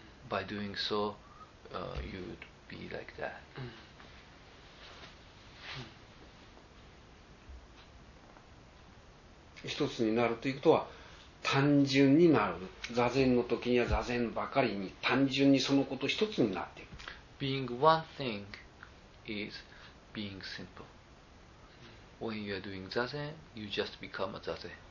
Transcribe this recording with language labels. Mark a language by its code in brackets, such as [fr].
[en] By doing so, you would be like that. [ja] うん、一つになるということは単純になる。座禅の時には座禅ばかりに単純にそのこと一つになっていく。 [en] Being one thing is being simple. When you are doing zazen, you just become a zazen.